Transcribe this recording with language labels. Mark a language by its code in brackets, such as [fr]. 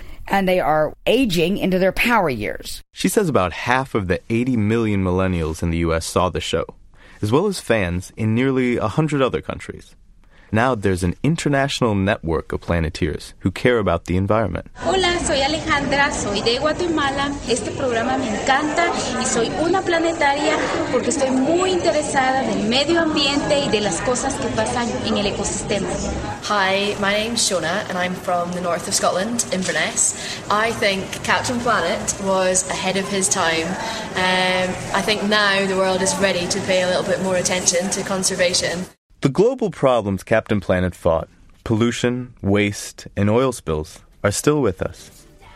[en] And they are aging into their power years. She says about half of the 80 million millennials in the U.S. saw the show, as well as fans in nearly 100 other countries. Now there's an international network of Planeteers who care about the environment. [es] Hola, soy Alejandra, soy de Guatemala. Este programa me encanta y soy una planetaria porque estoy muy interesada del medio ambiente y de las cosas que pasan en el ecosistema. [en] Hi, my name's Shona and I'm from the north of Scotland, Inverness. I think Captain Planet was ahead of his time. I think now the world is ready to pay a little bit more attention to conservation. The global problems Captain Planet fought, pollution, waste, and oil spills, are still with us.